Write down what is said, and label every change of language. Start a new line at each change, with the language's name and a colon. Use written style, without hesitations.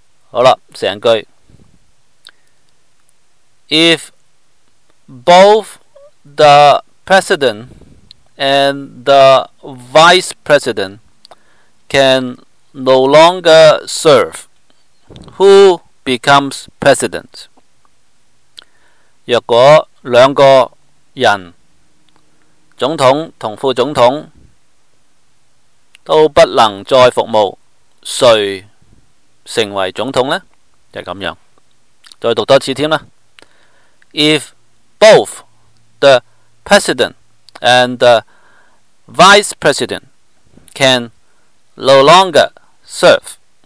Cantonese: 好啦，成句
English: ：If both the president and the vice president can no longer serve, who becomes president?
Cantonese: 若果两个人，总统同副总统都不能再服务，谁成为总统呢？就是这样。再读多次添啦。
English: If both the president and the Vice President can no longer serve.